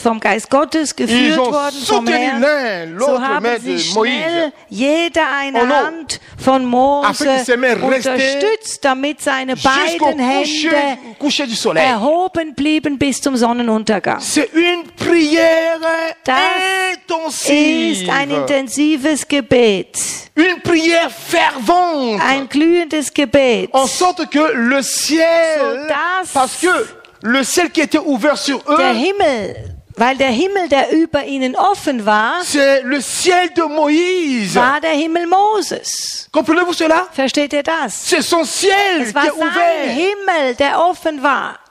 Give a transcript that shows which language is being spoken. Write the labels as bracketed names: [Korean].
[German] vom Geist Gottes geführt worden, vom Herrn. So haben sie schnell jeder eine Hand von Mose unterstützt, damit seine beiden Hände erhoben blieben bis zum Sonnenuntergang. [French] C'est une prière intensive. [German] Das ist ein intensives Gebet. [French] Une prière fervente. [German] Ein glühendes Gebet. [French] En sorte que le ciel, parce que le ciel qui était ouvert sur eux, [German] der Himmel, weil der Himmel, der über ihnen offen war, [French] c'est le ciel de Moïse, [German] war der Himmel Moses. [French] Comprenez-vous cela? [German] Versteht ihr das? [French] C'est son ciel [German] es war [French] qui est ouvert. [German] Sein Himmel, der offen war.